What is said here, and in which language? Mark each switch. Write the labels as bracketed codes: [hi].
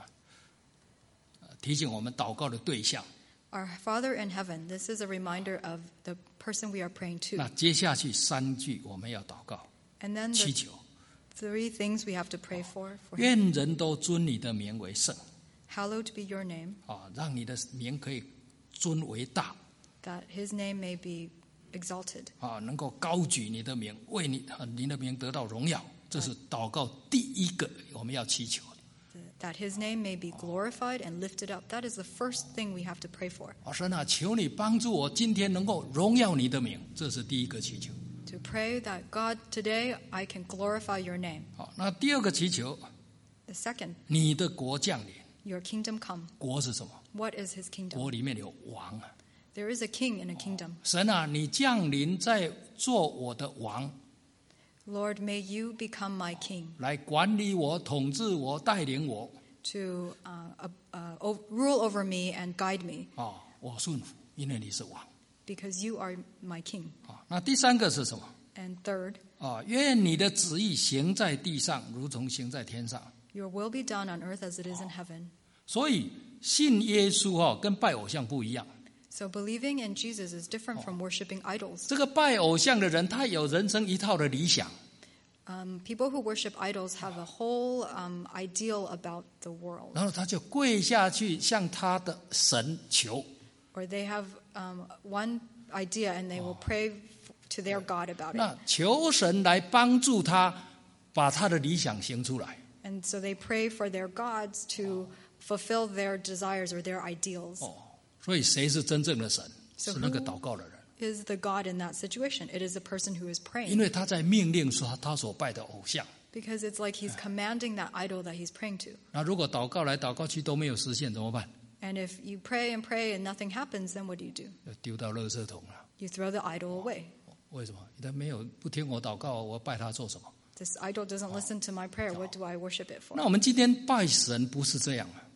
[zh] 我们在天上的父，这个是提醒我们祷告的对象。 [en] Our Father in heaven, this is a reminder of the person we are praying to. [zh] 那接下去3句我们要祷告, [en] and then [zh] 祈求。 [en] Three things we have to pray for. [zh] 愿人都尊你的名为圣。 [en] Hallowed be your name. [zh] 让你的名可以尊为大。 [en] That his name may be exalted. [zh] 能够高举你的名，为你的名得到荣耀。这是祷告第一个我们要祈求的。 [en] That his name may be glorified and lifted up. That is the first thing we have to pray for. [zh] 神啊，求你帮助我今天能够荣耀你的名。这是第一个祈求。 [en] To pray that God today I can glorify your name. [zh] 那第二个祈求, [en] the second, [zh] 你的国降临, [en] your kingdom come. [zh] 国是什么? [en] What is his kingdom? [zh] 国里面有王, [en] there is a king in a kingdom. [zh] 神啊, 你降临在做我的王, [en] Lord, may you become my king. [zh] 来管理我, 统治我, 带领我, [en] to rule over me and guide me. [zh] 我顺服, 因为你是王。 [en] Because you are my king. [zh] 那第三个是什么? [en] And third, [zh] 愿你的旨意行在地上，如同行在天上。 [en] Your will be done on earth as it is in heaven. [zh] 所以信耶稣跟拜偶像不一样。 [en] So believing in Jesus is different from worshipping idols. [zh] 这个拜偶像的人，他有人生一套的理想。 [en] People who worship idols have a whole ideal about the world. [zh] 然后他就跪下去向他的神求。 [en] Or they have one idea and they will pray to their God about it. [zh] 求神来帮助他把他的理想行出来。 [en] And so they pray for their gods to fulfill their desires or their ideals. [zh] 所以谁是真正的神? [en] So [zh] 是那个祷告的人。 [en] Who is the God in that situation? It is the person who is praying. [zh] 因为他在命令说他所拜的偶像。 [en] Because it's like he's commanding that idol that he's praying to. [zh] 那如果祷告来祷告去都没有实现怎么办? [en] And if you pray and pray and nothing happens, then what do? [zh] 丢到垃圾桶了。 [en] You throw the idol away. [zh] 为什么? 他没有不听我祷告，我拜他做什么？ [en] This idol doesn't listen to my prayer. What do I worship it for? [zh] 那我们今天拜神不是这样啊。